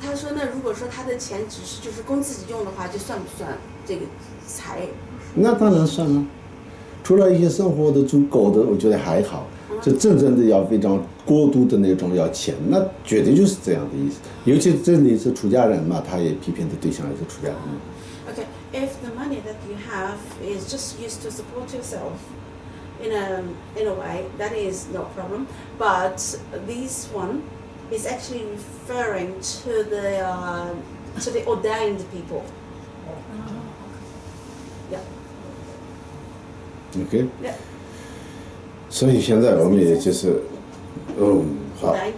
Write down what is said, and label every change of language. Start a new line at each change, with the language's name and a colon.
Chinese: 他说那如果说他的钱只是就是供自己用的话，就算不算这个财？那当然算了。除了一些生活的足够的，我觉得还好。就真正的要非常过度的那种要钱，那绝对就是这样的意思。尤其这里是出家人嘛，他也批评的对象也是出家人。
English: Okay, if the money that you have is just used to support yourself in a way, that is no problem. But this one is actually referring to the ordained people.
Chinese: OK， 所以现在我们也就是，好。